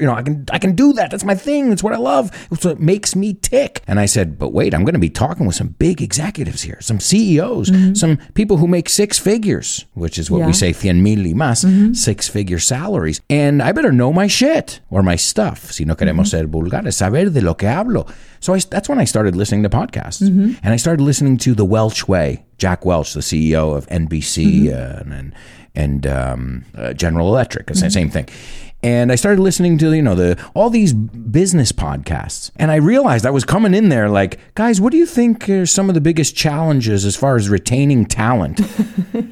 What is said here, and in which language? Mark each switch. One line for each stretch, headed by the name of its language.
English: You know, I can do that. That's my thing. That's what I love. It's what makes me tick. And I said, but wait, I'm going to be talking with some big executives here, some CEOs. Some people who make six figures, which is what we say, 100,000
Spanish: y más,
English: six-figure salaries. And I better know my shit or my stuff.
Spanish: Si no queremos ser vulgares, saber de lo que hablo.
English: So that's when I started listening to podcasts. And I started listening to The Welch Way, Jack Welch, the CEO of NBC and General Electric, same thing. And I started listening to, you know, the all these business podcasts. And I realized I was coming in there like, guys, what do you think are some of the biggest challenges as far as retaining talent? Yeah.